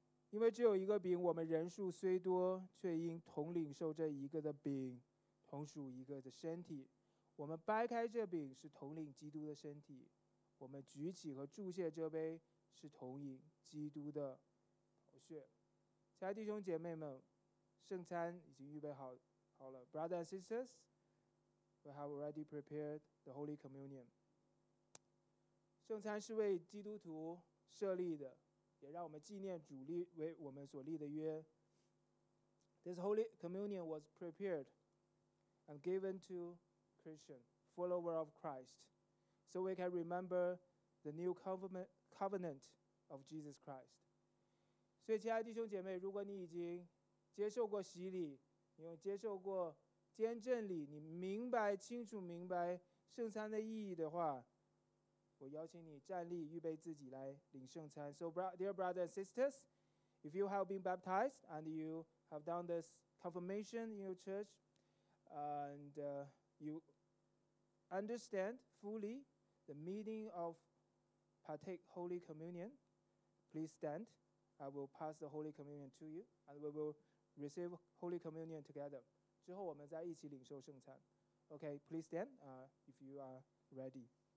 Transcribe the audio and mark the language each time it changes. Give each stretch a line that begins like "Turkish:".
Chinese: 因为只有一个饼，我们人数虽多，却因同领受这一个的饼，同属一个的身体。我们掰开这饼，是同领基督的身体；我们举起和祝谢这杯，是同饮基督的宝血。亲爱的弟兄姐妹们，圣餐已经预备好了。
English: Brothers and sisters, we have already prepared the Holy Communion.
Chinese: 圣餐是为基督徒设立的，也让我们纪念主立为我们所立的约。
English: This Holy Communion was prepared and given to Christian, follower of Christ, so we can remember the new covenant of Jesus Christ.
Chinese: 所以亲爱的弟兄姐妹，如果你已经接受过洗礼，你有接受过坚证礼，你明白清楚明白圣餐的意义的话，我邀请你站立，预备自己来领圣餐。
English: So, dear brothers and sisters, if you have been baptized and you have done this confirmation in your church, and you understand fully the meaning of partake Holy Communion, please stand. I will pass the Holy Communion to you, and we will receive Holy Communion together.
Chinese: 之后我们再一起领受圣餐。
English: Okay, please stand if you are ready.